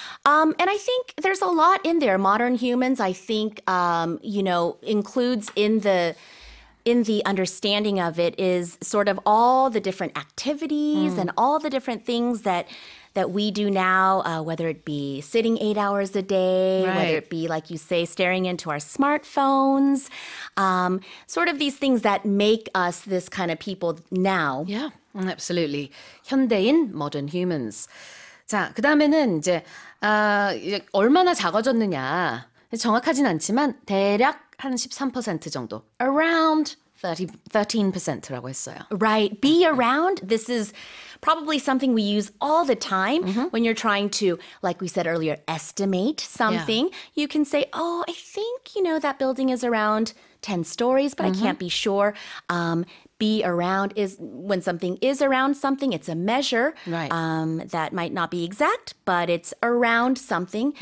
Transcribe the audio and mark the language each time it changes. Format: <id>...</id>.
<en>And I think there's a lot in there. Modern humans, I think, you know, includes in the understanding of it is sort of all the different activities and all the different things that we do now, whether it be sitting 8 hours a day, whether it be, like you say, staring into our smartphones, sort of these things that make us this kind of people now. Yeah. Absolutely. 현대인, modern humans.</en> <ko>자, 그 다음에는 이제 얼마나 작아졌느냐. 정확하진 않지만 대략 한 13% 정도. Around 13%라고 했어요.</ko> <en>Right. Be around. This is probably something we use all the time when you're trying to, like we said earlier, estimate something. Yeah. You can say, oh, I think, you know, that building is around 10 stories, but I can't be sure. Be around is when something is around something, it's a measure that might not be exact, but it's around something.</en>